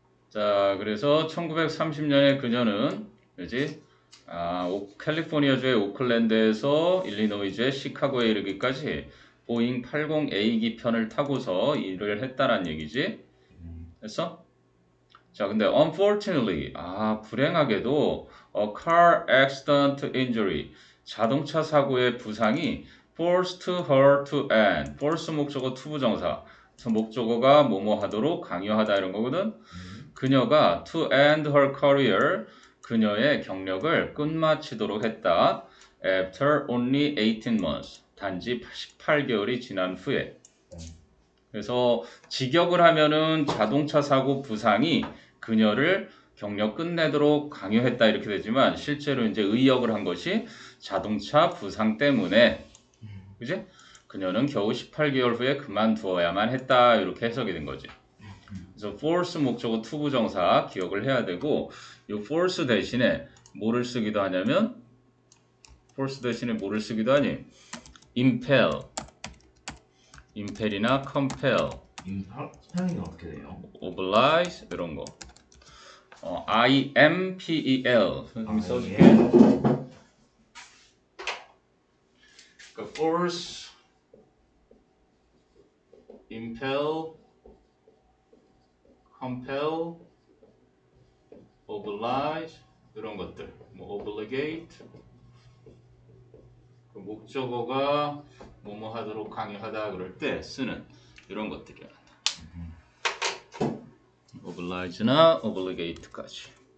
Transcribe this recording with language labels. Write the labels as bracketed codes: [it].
[ko] 자, 그래서 1930년에 그녀는 그지? 아, 캘리포니아주의 오클랜드에서 일리노이주의 시카고에 이르기까지 보잉 80A기 편을 타고서 일을 했다란 얘기지? 했어? 자, 근데 unfortunately, 아, 불행하게도 [en] a car accident injury, [ko] 자동차 사고의 부상이 [en] forced her to end. [ko] force 목적어 to 부정사. 목적어가 뭐뭐 하도록 강요하다 이런 거거든. 그녀가 [en] to end her career, [ko] 그녀의 경력을 끝마치도록 했다. [en] After only 18 months, [ko] 단지 18개월이 지난 후에. 그래서 직역을 하면은 자동차 사고 부상이 그녀를 경력 끝내도록 강요했다 이렇게 되지만 실제로 이제 의역을 한 것이 자동차 부상 때문에, 그지? 그녀는 겨우 18개월 후에 그만두어야만 했다 이렇게 해석이 된 거지. 그래서 force 목적어 to 부정사 기억을 해야 되고 요 force 대신에 뭐를 쓰기도 하냐면 force 대신에 뭐를 쓰기도 하니 impel, impel이나 compel. impel 스펠링이 어떻게 돼요? oblige 이런 거. [en] I M P E L [ko] 선생님이 써줄게. 그러니까 force impel, compel, oblige 이런 것들. 뭐 obligate 그 목적어가 뭐뭐 하도록 강요하다 그럴 때 쓰는 이런 것들이야. oblige나 obligate까지.